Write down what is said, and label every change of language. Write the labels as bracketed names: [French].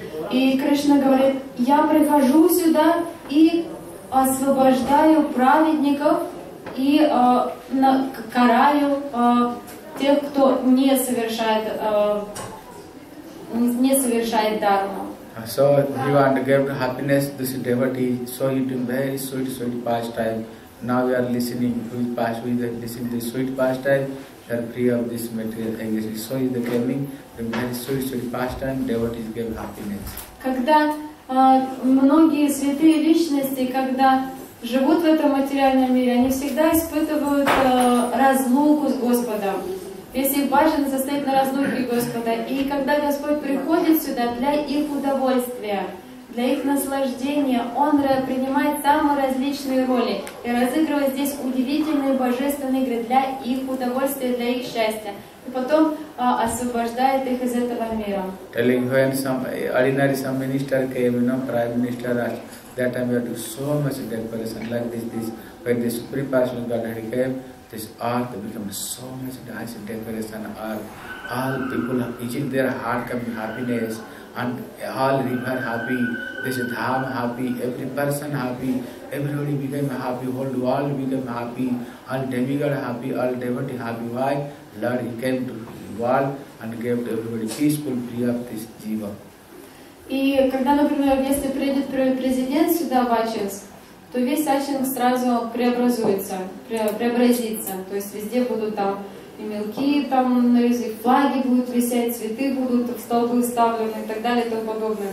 [Russian] И Кришна говорит, я прихожу сюда и освобождаю праведников и караю тех, кто не совершает дхарму. [English] So he want to give the happiness to this devotee, so he doing very sweet pastime. Now we are listening to his pastime, listening to this sweet pastime, they are free of this material anxiety. So he is coming, doing very sweet pastime, devotees give happiness. [Russian] Когда многие святые личности, когда живут в этом материальном мире, они всегда испытывают разлуку с Господом. Если бхаджан состоит на разлуке Господа, и когда Господь приходит сюда для их удовольствия, для их наслаждения, Он принимает самые различные роли и разыгрывает здесь удивительные божественные игры для их удовольствия, для их счастья. И потом освобождает их из этого мира. [English] Telling when some ordinary some minister came, you know, prime minister asked, that time we had so much decoration like this. When this supreme personal God had came, this earth became so much nice decoration. All people reaching their heart coming happiness, and all river happy, this dham happy, every person happy, everybody became happy, whole world became happy, all demigod happy, all devotee happy. Why? Lord, he came to the world and gave to everybody peaceful, free of this jiva. [Russian] И когда, например, если придет президент сюда в Ачинск, то весь Ачинск сразу преобразится, то есть везде будут там и мелки там на языке, флаги будут висеть, цветы будут в столбы вставлены и так далее и тому подобное.